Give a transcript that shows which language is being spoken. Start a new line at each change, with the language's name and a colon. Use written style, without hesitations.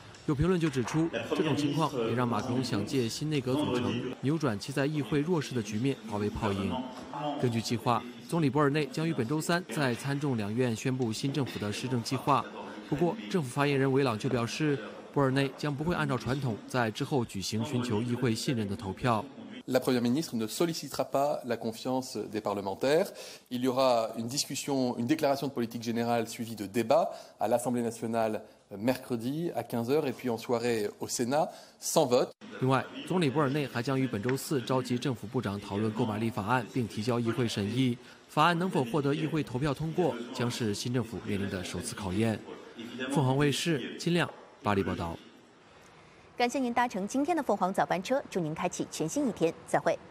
Chinese: 有评论就指出，这种情况也让马克龙想借新内阁组成扭转其在议会弱势的局面化为泡影。根据计划，总理博尔内将于本周三在参众两院宣布新政府的施政计划。不过，政府发言人维朗就表示，博尔内将不会按照传统在之后举行寻求议会信任的投票。
French: La première ministre ne sollicitera pas la confiance des parlementaires. Il y aura une discussion, une déclaration de politique générale suivie de débat à l'Assemblée nationale mercredi à 15h et puis en soirée au Sénat sans vote.
Chinese: 另外，总理博尔内还将于本周四召集政府部长讨论购买力法案，并提交议会审议。法案能否获得议会投票通过，将是新政府面临的首次考验。凤凰卫视金亮巴黎报道。感谢您搭乘今天的凤凰早班车，祝您开启全新一天，再会。